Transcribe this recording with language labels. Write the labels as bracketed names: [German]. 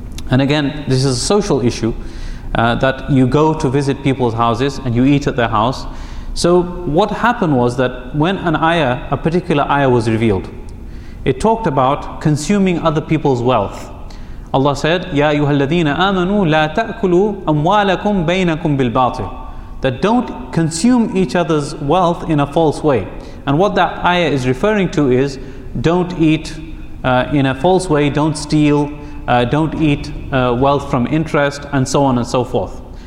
[English] And again, this is a social issue, that you go to visit people's houses and you eat at their house. So what happened was that when a particular ayah was revealed, it talked about consuming other people's wealth. Allah said, [Arabic] يَا أَيُّهَا الَّذِينَ آمَنُوا لَا تَأْكُلُوا أَمْوَالَكُمْ بَيْنَكُمْ بِالْبَاطِلِ. [English] That don't consume each other's wealth in a false way. And what that ayah is referring to is, don't eat in a false way, don't steal, don't eat wealth from interest, and so on and so forth.